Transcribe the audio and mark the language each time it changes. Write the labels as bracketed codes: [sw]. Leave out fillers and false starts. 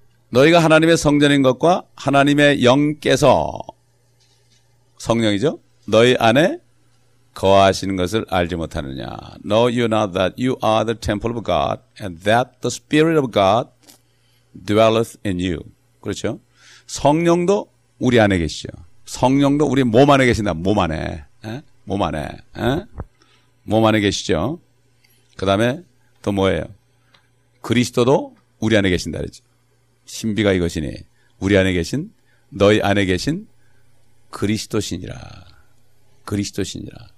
[ko] 너희가 하나님의 성전인 것과 하나님의 영께서 성령이죠? 너희 안에 거하시는 것을 알지 못하느냐? [en] Know you not that you are the temple of God and that the Spirit of God dwelleth in you. [ko] 그렇죠? 성령도 우리 안에 계시죠. 성령도 우리 몸 안에 계신다. 몸 안에. 에? 몸 안에. 에? 몸 안에 계시죠. 그 다음에 또 뭐예요? 그리스도도 우리 안에 계신다 그랬죠. 신비가 이것이니 우리 안에 계신 너희 안에 계신 그리스도신이라. 그리스도신이라.